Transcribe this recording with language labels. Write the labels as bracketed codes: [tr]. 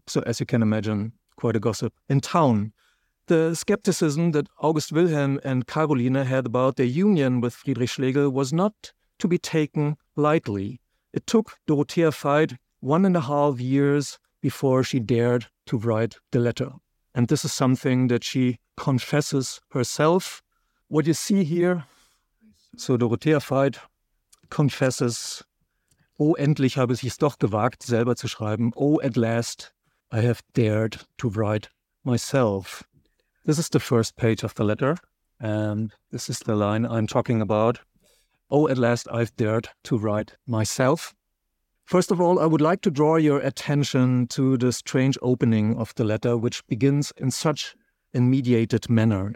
[en] So as you can imagine, quite a gossip in town. The skepticism that August Wilhelm and Caroline had about their union with Friedrich Schlegel was not to be taken lightly. It took Dorothea Veit 1.5 years before she dared to write the letter. And this is something that she confesses herself. What you see here, so Dorothea Veit confesses, [de] oh, endlich habe ich es doch gewagt, selber zu schreiben. [en] Oh, at last, I have dared to write myself. This is the first page of the letter. And this is the line I'm talking about. Oh, at last, I've dared to write myself. First of all, I would like to draw your attention to the strange opening of the letter, which begins in such a mediated manner.